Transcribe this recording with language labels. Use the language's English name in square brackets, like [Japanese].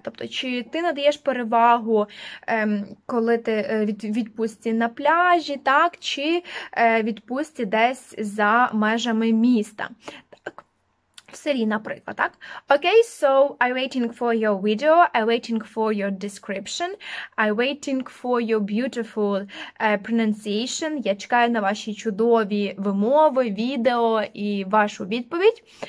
[Ukrainian] Тобто чи ти надаєш перевагу коли ти відпустці на пляжі, так, чи відпустці десь за межами міста. City, наприклад, так? [English] Okay, so I'm waiting for your video, I'm waiting for your description, I'm waiting for your beautiful pronunciation. [Ukrainian] Я чекаю на ваші чудові вимови, відео і вашу відповідь.